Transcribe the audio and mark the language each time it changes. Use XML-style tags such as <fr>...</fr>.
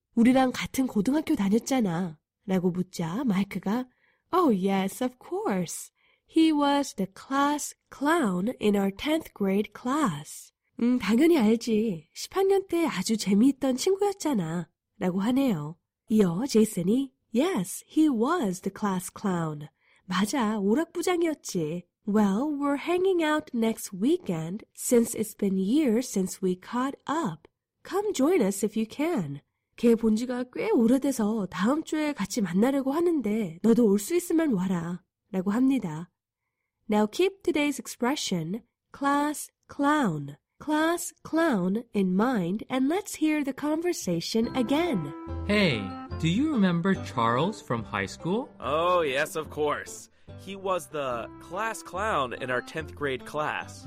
<ko>우리랑 같은 고등학교 다녔잖아. 라고 묻자 마이크가</ko> <en>Oh, yes, of course. He was the class clown in our 10th grade class.</en> <ko>당연히 알지. 10학년 때 아주 재미있던 친구였잖아. 라고 하네요. 이어 제이슨이</ko> <en>Yes, he was the class clown.</en> <ko>맞아, 오락부장이었지.</ko> <en>Well, we're hanging out next weekend since it's been years since we caught up. Come join us if you can.</en> <ko>걔 본 지가 꽤 오래돼서 다음 주에 같이 만나려고 하는데 너도 올 수 있으면 와라 라고 합니다.</ko> <en>Now keep today's expression, class clown in mind and let's hear the conversation again. Hey, do you remember Charles from high school? Oh, yes, of course. He was the class clown in our 10th grade class.</en>